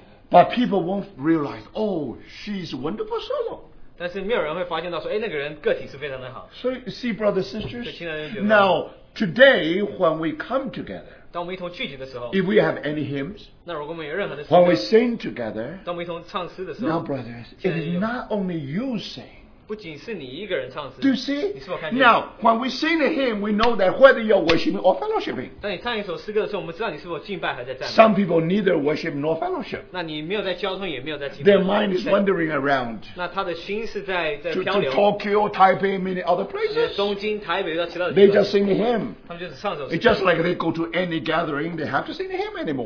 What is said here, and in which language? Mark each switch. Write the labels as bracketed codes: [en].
[en] But people won't realize, oh, she's a wonderful solo. [zh] 但是没有人会发现到说, 诶, 那个人个体是非常的好。 [en] So you see, brothers and sisters, [zh] 所以亲爱的弟兄姐妹, [en] now today when we come together, [zh] 当我们一同聚集的时候, [en] if we have any hymns, [zh] 那如果我们有任何的诗歌, [en] when we sing together, [zh] 当我们一同唱诗的时候, [en] now brothers, it is not only you sing. [zh] 不仅是你一个人唱诗, [en] do you see? [zh] 你是否看见? [en] Now when we sing a hymn, we know that whether you're worshiping or fellowshipping. [zh] 当你唱一首诗歌的时候, 我们知道你是否敬拜还在赞美。 [en] Some people neither worship nor fellowship. [zh] 那你没有在交通, 也没有在敬拜, [en] their mind is wandering around. [zh] 那他的心是在漂流, [en] to Tokyo, Taipei, many other places. [zh] 东京, 台北到其他的地方, [en] they just sing a hymn. [zh] 他们就只唱一首诗歌, [en] it's just like they go to any gathering, they have to sing a hymn anymore.